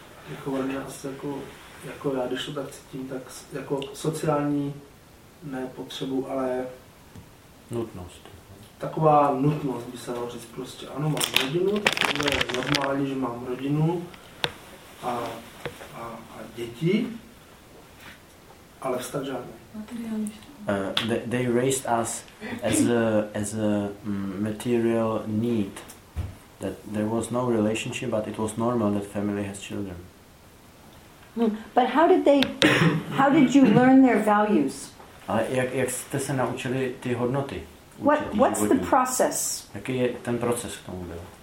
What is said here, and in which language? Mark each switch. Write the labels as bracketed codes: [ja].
[cs] Jako nás, jako já, když to tak cítím, tak jako sociální ne potřebu, ale... Nutnost. Taková nutnost by se dalo říct prostě, ano, mám rodinu, to je normální, že mám rodinu, a děti, ale vztah žádný. [en] They raised us as a material need, that there was no relationship, but it was normal that family has children. But how did you learn their values? [cs] Ale jak jste se naučili ty hodnoty? [en] What's the process? [cs] Jaký je ten proces k tomu byl?